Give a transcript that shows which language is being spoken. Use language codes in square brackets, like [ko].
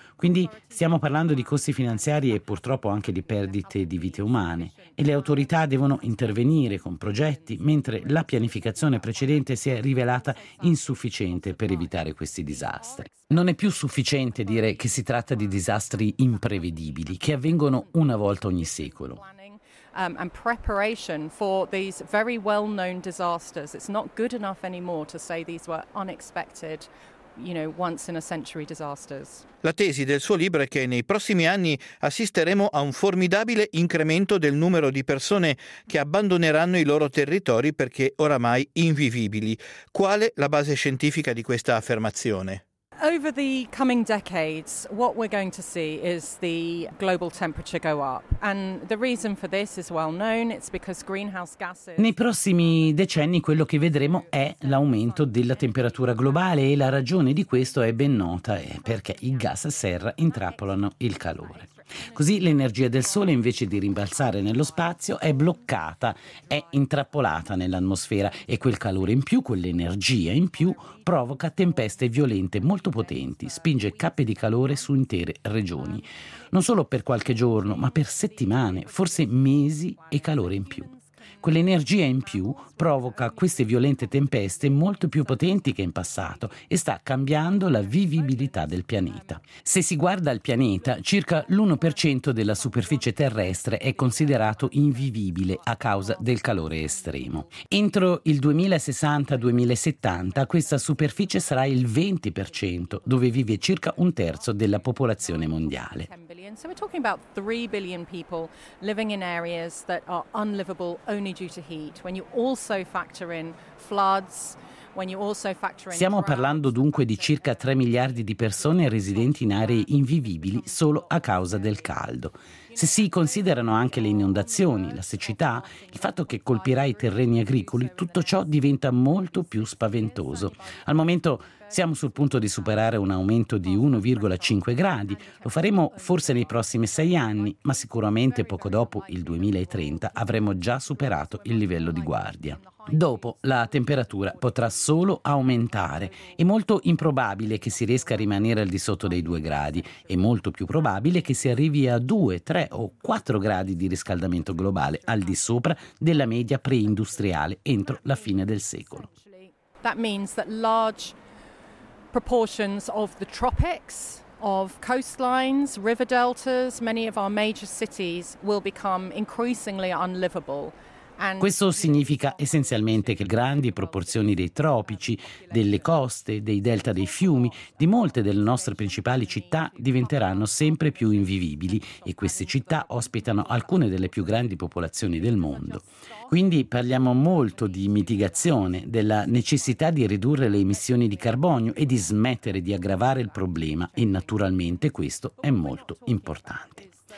[it] Quindi stiamo parlando di costi finanziari e purtroppo anche di perdite di vite umane. E le autorità devono intervenire con progetti, mentre la pianificazione precedente si è rivelata insufficiente per evitare questi disastri. Non è più sufficiente dire che si tratta di disastri imprevedibili, che avvengono una volta ogni secolo. [en] And preparation for these very well-known disasters. It's not good enough anymore to say these were unexpected, you know, once in a century disasters. [it] La tesi del suo libro è che nei prossimi anni assisteremo a un formidabile incremento del numero di persone che abbandoneranno i loro territori perché oramai invivibili. Quale la base scientifica di questa affermazione? [en] Over the coming decades, what we're going to see is the global temperature go up. And the reason for this is well known, it's because greenhouse gases. [it] Nei prossimi decenni quello che vedremo è l'aumento della temperatura globale e la ragione di questo è ben nota, è perché i gas serra intrappolano il calore. Così l'energia del sole, invece di rimbalzare nello spazio, è bloccata, è intrappolata nell'atmosfera e quel calore in più, quell'energia in più, provoca tempeste violente molto potenti, spinge cappe di calore su intere regioni, non solo per qualche giorno, ma per settimane, forse mesi e calore in più. Quell'energia in più provoca queste violente tempeste molto più potenti che in passato e sta cambiando la vivibilità del pianeta. Se si guarda al pianeta, circa l'1% della superficie terrestre è considerato invivibile a causa del calore estremo. Entro il 2060-2070 questa superficie sarà il 20%, dove vive circa un terzo della popolazione mondiale. [en] So we're talking about 3 billion people living in areas that are unlivable only due to heat. When you also factor in floods, when you also factor in. [it] Stiamo parlando dunque di circa 3 miliardi di persone residenti in aree invivibili solo a causa del caldo. Se si considerano anche le inondazioni, la siccità, il fatto che colpirà i terreni agricoli, tutto ciò diventa molto più spaventoso. Al momento siamo sul punto di superare un aumento di 1,5 gradi. Lo faremo forse nei prossimi 6 anni, ma sicuramente poco dopo il 2030 avremo già superato il livello di guardia. Dopo, la temperatura potrà solo aumentare. È molto improbabile che si riesca a rimanere al di sotto dei 2 gradi. È molto più probabile che si arrivi a 2, 3 o 4 gradi di riscaldamento globale al di sopra della media preindustriale entro la fine del secolo. [en] That means that large proportions of the tropics, of coastlines, river deltas, many of our major cities will become increasingly unlivable. [it] Questo significa essenzialmente che grandi proporzioni dei tropici, delle coste, dei delta dei fiumi, di molte delle nostre principali città diventeranno sempre più invivibili e queste città ospitano alcune delle più grandi popolazioni del mondo. Quindi parliamo molto di mitigazione, della necessità di ridurre le emissioni di carbonio e di smettere di aggravare il problema e naturalmente questo è molto importante.